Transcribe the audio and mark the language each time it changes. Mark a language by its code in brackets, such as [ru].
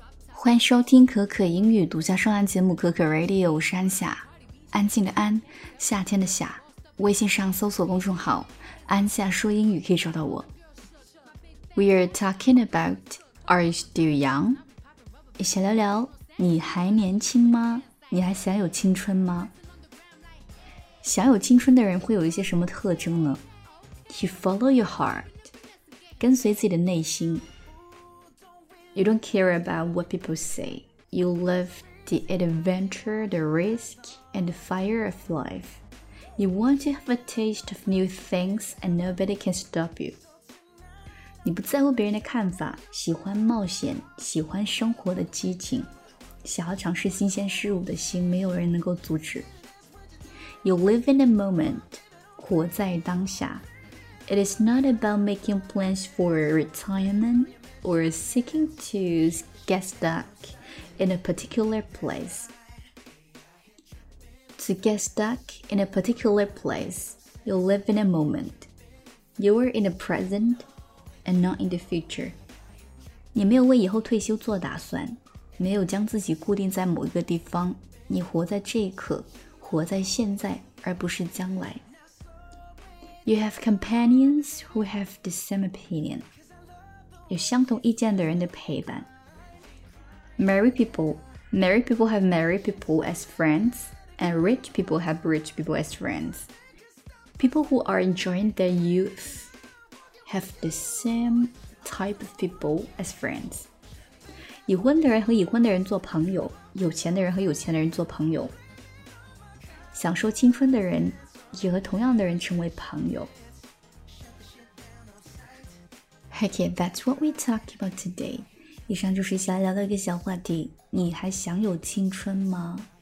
[zh] 欢迎收听可可英语独家专栏节目可可 Radio， 我是安夏，安静的安，夏天的夏。微信上搜索公众号安夏说英语可以找到我。 [en] We are talking about Are you still young? [zh] 一起聊聊你还年轻吗？你还享有青春吗？享有青春的人会有一些什么特征呢？ [en] You follow your heart， [zh] 跟随自己的内心。 [en] You don't care about what people say. You love the adventure, the risk, and the fire of life. You want to have a taste of new things and nobody can stop you. [zh] 你不在乎别人的看法，喜欢冒险，喜欢生活的激情，想要尝试新鲜事物的心，没有人能够阻止。 [en] You live in the moment, [zh] 活在当下。 [en] It is not about making plans for retirementOr seeking to get stuck in a particular place. To get stuck in a particular place, you live in a moment. You are in the present and not in the future. [zh] 你没有为以后退休做打算，没有将自己固定在某一个地方，你活在这一刻，活在现在，而不是将来。 [en] You have companions who have the same opinion. [zh] 有相同意见的人的陪伴。 [en] Married people have married people as friends, and rich people have rich people as friends. People who are enjoying their youth have the same type of people as friends. [zh] 已婚的人和已婚的人做朋友，有钱的人和有钱的人做朋友。享受青春的人也和同样的人成为朋友。 [en] Okay, that's what we talk about today. [zh] 以上就是一起来聊的一个小话题。你还享有青春吗？